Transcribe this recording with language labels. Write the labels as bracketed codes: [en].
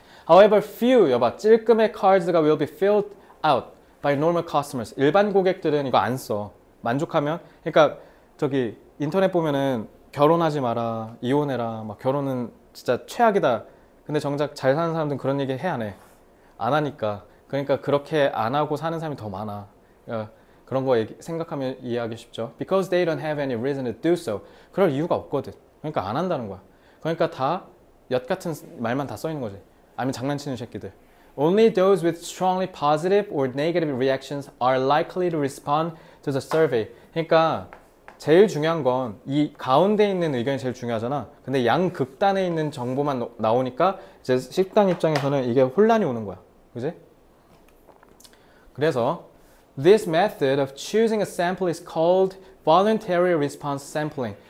[en] However, few, [ko] 여봐, 찔끔의 cards가 [en] will be filled out by normal customers. [ko] 일반 고객들은 이거 안 써. 만족하면, 그러니까 저기 인터넷 보면은 결혼하지 마라, 이혼해라, 막 결혼은 진짜 최악이다. 근데 정작 잘 사는 사람들은 그런 얘기 해안 해. 안 하니까. 그러니까 그렇게 안 하고 사는 사람이 더 많아. 그런 거 생각하면 이해하기 쉽죠. [en] Because they don't have any reason to do so. [ko] 그럴 이유가 없거든. 그러니까 안 한다는 거야. 그러니까 다엿 같은 말만 다써 있는 거지. 아니면 장난치는 새끼들. [en] Only those with strongly positive or negative reactions are likely to respond to the survey. [ko] 그러니까 제일 중요한 건이 가운데 있는 의견이 제일 중요하잖아. 근데 양극단에 있는 정보만 나오니까 이제 식당 입장에서는 이게 혼란이 오는 거야. 그지? 그래서 [en] This method of choosing a sample is called voluntary response sampling.